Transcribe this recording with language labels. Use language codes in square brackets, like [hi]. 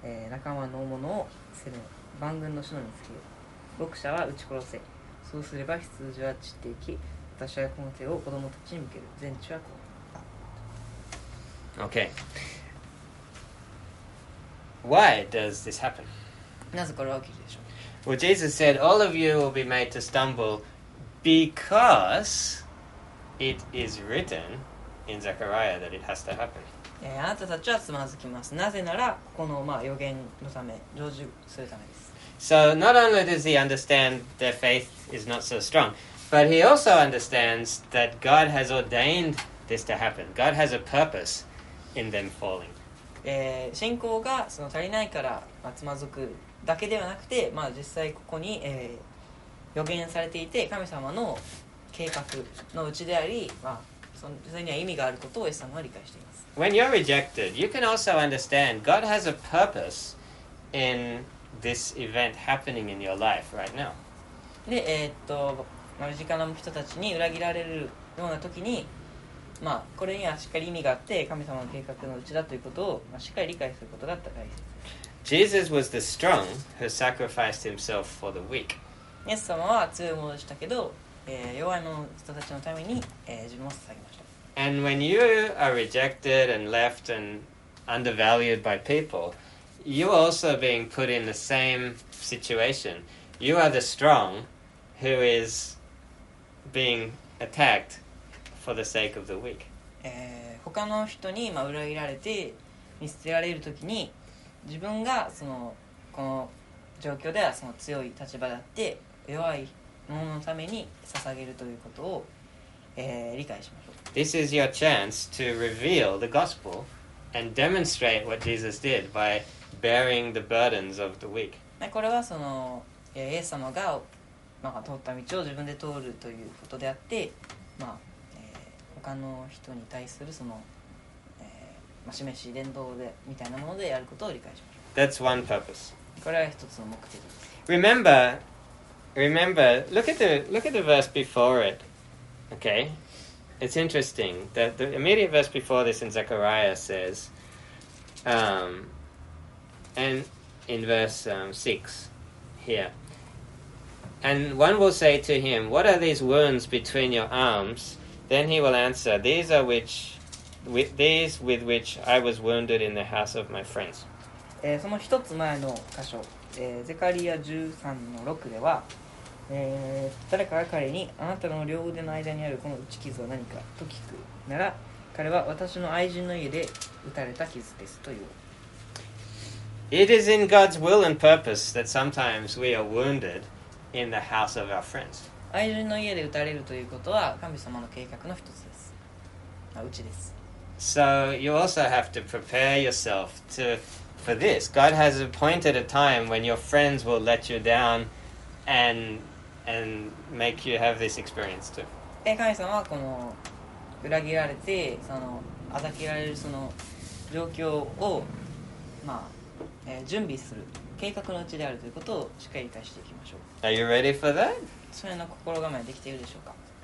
[ja] 仲間の者を責め、万軍の主の見つけよ、牧者は撃ち殺せ、そうすれば羊は散っていき、私はこの手を子供たちに向ける、全地はこう。 [en] OK. Why does this happen? [ja] なぜこれは起きるでしょう。 [en] Well, Jesus said, all of you will be made to stumble because it is written in Zechariah that it has to happen. [ja] あなたたちはつまずきます。なぜなら、この、まあ、予言のため、成就するためです。 [en] So not only does he understand their faith is not so strong, but he also understands that God has ordained this to happen. God has a purpose in them falling. [ja] 信仰がその足りないから、まあ、つまずく。だけではなくて、まあ、実際ここに、予言されていて神様の計画のうちであり、まあ、それには意味があることをイエス様は理解しています。 [en] When you're rejected, you can also understand God has a purpose in this event happening in your life right now. [ja] で、身近な人たちに裏切られるような時に、まあ、これにはしっかり意味があって神様の計画のうちだということを、まあ、しっかり理解することが大切。 [en] Jesus was the strong who sacrificed himself for the weak. [ja] イエス様は強いものでしたけど、弱いの人たちのために、自分を捧げました。 [en] And when you are rejected and left and undervalued by people, you are also being put in the same situation. You are the strong who is being attacked for the sake of the weak. [ja] 他の人に、まあ、裏切られて見捨てられるときに、自分がそのこの状況ではその強い立場であって弱い者のために捧げるということを、理解しましょう。 [en] This is your chance to reveal the gospel and demonstrate what Jesus did by bearing the burdens of the weak. [ja] これはそのイエス様が、まあ、通った道を自分で通るということであって、まあ他の人に対するその示し伝道でみたいなものでやることを理解します。 [en] That's one purpose. [ja] これは一つの目的です。 [en] Remember, look at the verse before it. Okay, it's interesting that the immediate verse before this in Zechariah says, and in verse 6 here, and one will say to him, "What are these wounds between your arms?" Then he will answer, "These are which." With these with which I was wounded in the house of my friends. [ja] その一つ前の箇所、ゼカリア13の6では、誰かが彼にあなたの両腕の間にあるこの打ち傷は何かと聞くなら、彼は私の愛人の家で打たれた傷ですという。 [en] It is in God's will and purpose that sometimes we are wounded in the house of our friends. [ja] 愛人の家で打たれるということは神様の計画の一つです。あ、うちです。 [en] So you also have to prepare yourself to for this. God has appointed a time when your friends will let you down and make you have this experience too. [ja] 神様はこの裏切られてそのあざけられるその状況を、まあ準備する計画のうちであるということをしっかり理解していきましょう。 [en] Are you ready for that? [ja] それの心構えできているでしょうか?